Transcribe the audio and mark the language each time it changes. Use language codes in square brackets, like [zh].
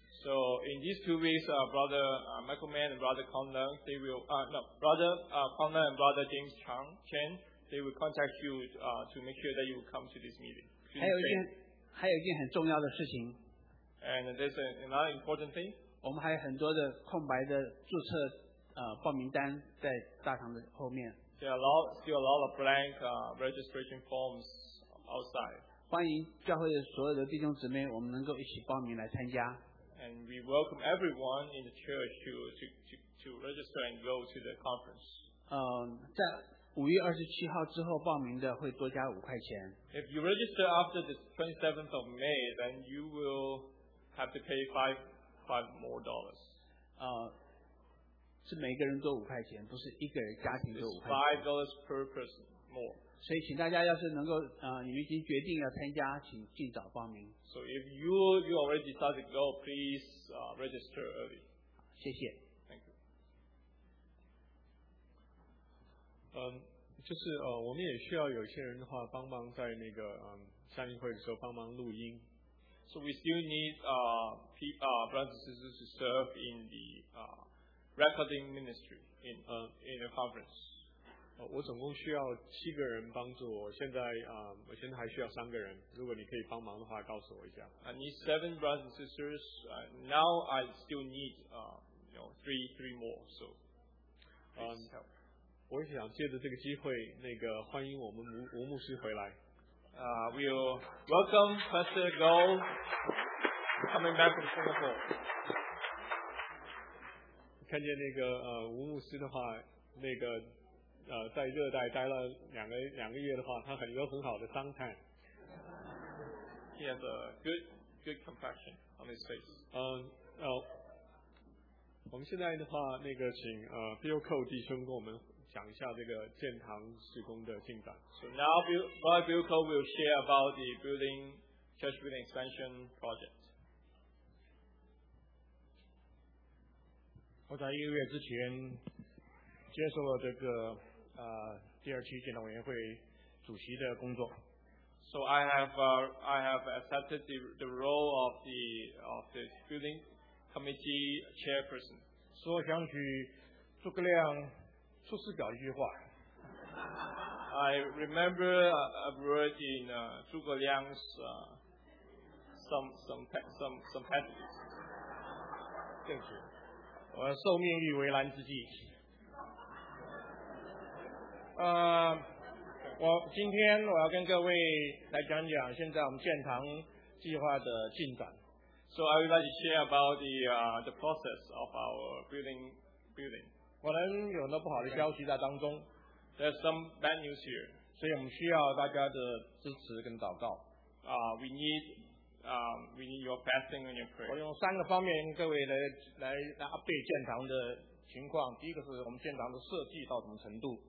[en] So in these 2 weeks, brother Michael Mann and brother Conlon, they will brother Conlon and brother James Chen, they will contact you to make sure that you will come to this meeting. [zh] 还有一件很重要的事情。 [en] And there's another important thing. [zh] 我们还有很多的空白的注册。报名单在大堂的后面。 [en] There are still a lot of blank registration forms outside. [zh] 欢迎教会的所有的弟兄姊妹，我们能够一起报名来参加。 [en] And we welcome everyone in the church to register and go to the conference. [zh] 在5月27号之后报名的会多加5块钱。 [en] If you register after the 27th of May, then you will have to pay five more dollars. [zh] 是每个人多5块钱，不是一个人家庭多5块钱。 [en] $5 per person more. [zh] 所以请大家要是能够你们已经决定要参加，请尽早报名。 [en] So if you already decided to go, please register early. [zh] 谢谢。 [en] Thank you. [zh] 就是我们也需要有些人的话帮忙在那个夏令会的时候帮忙录音。 [en] So we still need brothers and sisters to serve in the Recording Ministry in a conference. [zh] 我总共需要7个人帮助我。我现在还需要3个人。如果你可以帮忙的话，告诉我一下。 [en] I need 7 brothers and sisters. Now I still need three more. So, please help. [zh] 我想借着这个机会，那个欢迎我们吴牧师回来。 [en] We'll welcome Pastor Go coming back from Singapore. [zh] 看见那个吴牧师的话，那个在热带待了两个月的话，他很有很好的伤态。 [en] He has a good complexion on his face. [zh] 我们现在的话，那个请Bill Cole 弟兄跟我们讲一下这个建堂施工的进展。 [en] So now Bill Cole will share about the church building expansion project. [zh] 我在一个月之前接受了这个第二期检讨委员会主席的工作。 [en] So I have accepted the role of the building committee chairperson. [zh] 说想举诸葛亮出师表一句话。 [en] I remember a word in Zhuge Liang's some passages. [zh] 正是，我受命于围栏之际。我今天我要跟各位来讲讲现在我们建堂计划的进展。 [en] So I would like to share about the process of our building. [zh] 可能有很多不好的消息在当中。 [en] There's some bad news here. [zh] 所以我们需要大家的支持跟祷告。 [en] We need your fasting and your prayer. [zh] 我用三个方面跟各位来 update 建堂的情况。第一个是我们建堂的设计到什么程度。